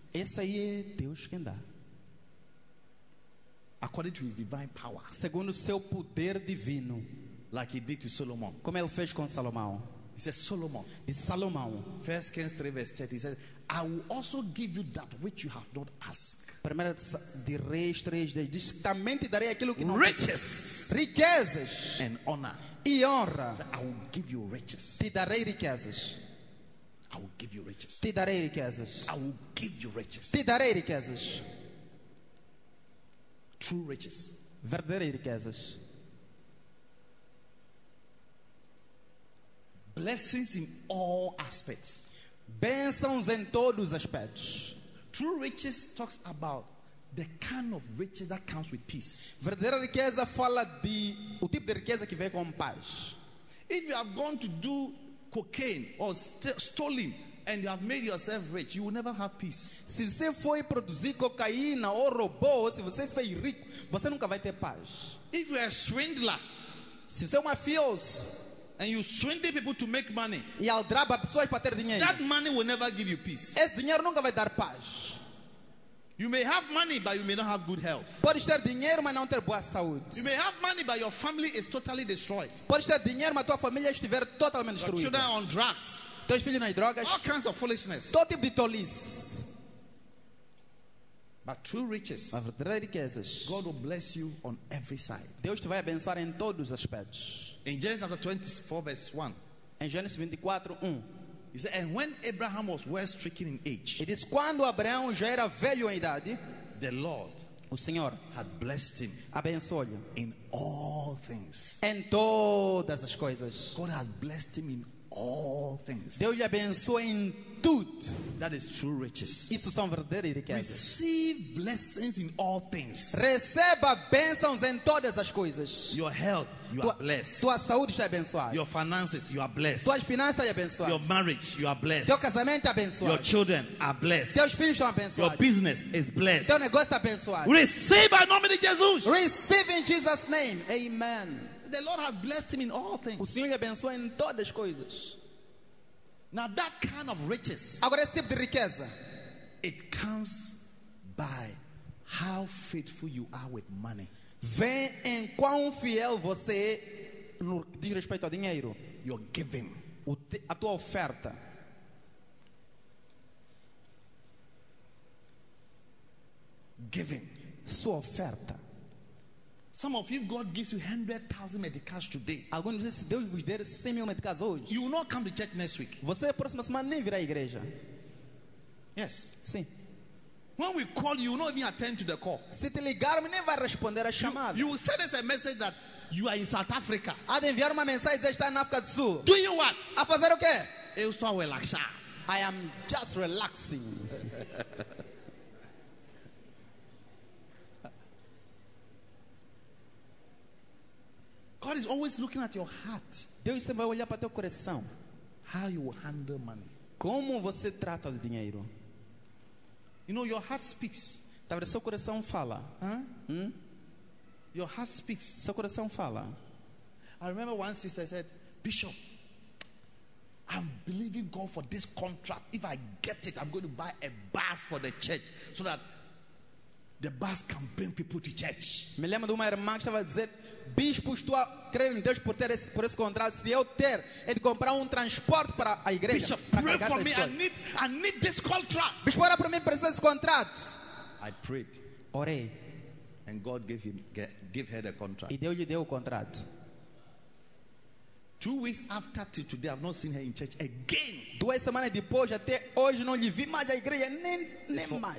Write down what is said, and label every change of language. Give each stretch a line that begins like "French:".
Portuguese: Esse aí é Deus quem dá.
English: According to his divine power.
Portuguese: Segundo seu poder divino.
English: Like he did to Solomon.
Portuguese: Como ele fez com Salomão.
English: He says Solomon.
Portuguese: De Salomão.
English: 1 Kings 3 verse 30. He says, I will also give you that which you have not asked.
Portuguese: Primeira de Reis 3 diz, também te darei aquilo que não
English: riches.
Portuguese: Riquezas.
English: And honor.
Portuguese: E honra.
English: Says, I will give you riches.
Portuguese: Te darei riquezas.
English: I will give you riches.
Portuguese: Te darei riquezas.
English: I will give you riches.
Portuguese: Te darei riquezas.
English: True riches.
Portuguese: Verdadeiras riquezas.
English: Blessings in all aspects.
Portuguese: Bênçãos em todos os aspectos.
English: True riches talks about the kind of riches that comes with peace.
Portuguese: Verdadeira riqueza fala de o tipo de riqueza que vem com paz.
English: If you are going to do cocaine or stolen and you have made yourself rich, you will never have peace.
Portuguese: Se você foi produzir cocaína ou roubou, se você foi rico, você nunca vai ter paz.
English: If you are a swindler,
Portuguese: se você é um mafioso,
English: and you swindle people to make money,
Portuguese: e aldraba pessoas para ter dinheiro,
English: that money will never give you peace.
Portuguese: Esse dinheiro nunca vai dar paz.
English: You may have money, but you may not have good health.
Portuguese: Pode ter dinheiro, mas não ter boa saúde.
English: You may have money, but your family is totally destroyed.
Portuguese: Pode ter dinheiro, mas tua família estiver totalmente destruída.
English: Your children on drugs.
Portuguese: Teus filhos nas drogas.
English: All kinds of foolishness.
Portuguese: Todo tipo de tolice.
English: But true riches,
Portuguese: mas verdadeiras riquezas,
English: God will bless you on every side.
Portuguese: Deus te vai abençoar em todos os aspectos.
English: In Genesis 24, verse 1.
Portuguese: Em Gênesis 24, 1.
English: He said, and when Abraham was well stricken in age,
Portuguese: ele disse, quando Abraão já era velho em idade,
English: the Lord,
Portuguese: o Senhor,
English: had blessed him,
Portuguese: abençoou-lhe,
English: in all things,
Portuguese: em todas as coisas.
English: God has blessed him in all things.
Portuguese: Deus lhe abençoou em tudo.
English: That is true riches.
Portuguese: Isso são verdadeiras riquezas.
English: Receive blessings in all things.
Portuguese: Receba bênçãos em todas as coisas.
English: Your health, you are blessed.
Portuguese: Tua saúde está abençoada.
English: Your finances, you are blessed.
Portuguese: Tuas finanças estão abençoadas.
English: Your marriage, you are blessed.
Portuguese: Teu casamento é abençoado.
English: Your children are blessed.
Portuguese: Teus filhos estão abençoados.
English: Your business is blessed.
Portuguese: Teu negócio está abençoado.
English: Receive
Portuguese: em nome de Jesus.
English: Receive in Jesus' name. Amen. The Lord has blessed him in all things.
Portuguese: O Senhor lhe abençoou em todas as coisas.
English: Now that kind of riches,
Portuguese: agora esse tipo de riqueza,
English: it comes by how faithful you are with money.
Portuguese: Vem em quão fiel você é no que diz respeito ao dinheiro.
English: Your giving,
Portuguese: a tua oferta.
English: Giving,
Portuguese: sua oferta.
English: Some of you, God gives you 100,000 medicals today.
Portuguese: Alguns de vocês, Deus vos der 100 mil medicals hoje.
English: You will not come to church next week.
Portuguese: Você na próxima semana nem virá à igreja.
English: Yes.
Portuguese: Sim.
English: When we call you, you will not even attend to the call.
Portuguese: Se te ligarmos, nem vai responder à chamada.
English: You will send us a message that you are in South Africa.
Portuguese: Há de enviar uma mensagem que está na África do Sul.
English: Do you what?
Portuguese: A fazer o quê? Eu estou a relaxar.
English: I am just relaxing. God is always looking at your heart.
Portuguese: Deus sempre vai olhar para teu coração.
English: How you handle money.
Portuguese: Como você trata o dinheiro?
English: You know your heart speaks.
Portuguese: Talvez seu coração fala. Huh? Hmm?
English: Your heart speaks.
Portuguese: Seu coração fala.
English: I remember one sister said, Bishop, I'm believing God for this contract. If I get it, I'm going to buy a bus for the church so that the bus can bring people to church.
Portuguese: Me lembro de uma irmã que estava a dizer, Bispo, estou a crer em Deus por ter esse, por esse contrato. Se eu ter, é de comprar um transporte para a igreja.
English: Bishop, pray for me. I need this contract.
Portuguese: Bispo, ora para mim, preciso desse contrato.
English: I prayed.
Portuguese: Orei.
English: And God gave her the contract.
Portuguese: E Deus lhe deu o contrato.
English: 2 weeks after today, I've not seen her in church again.
Portuguese: 2 semanas depois, até hoje, não lhe vi mais a igreja, nem mais.